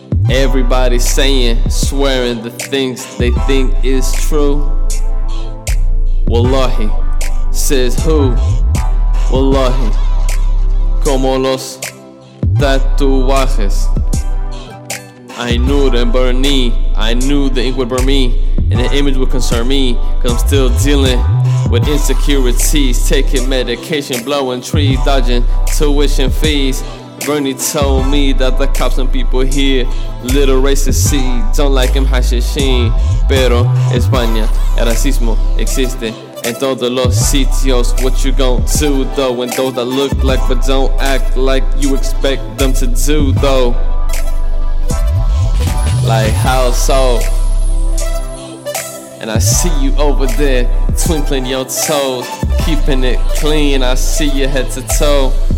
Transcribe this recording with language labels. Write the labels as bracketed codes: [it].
[en] Everybody saying, swearing the things they think is true. Wallahi, says who? [es] Wallahi, como los tatuajes. [en] I knew them burn me. I knew the ink would burn me, and the image would concern me, cause I'm still dealing with insecurities. Taking medication, blowing trees, dodging tuition fees. Bernie told me that the cops and people here, little racist seed, don't like him hashishin. [es] Pero España, el racismo existe en todos los sitios. [en] What you gon' do though, and those that look like but don't act like you expect them to do though? Like how so? And I see you over there, twinkling your toes, keeping it clean, I see you head to toe.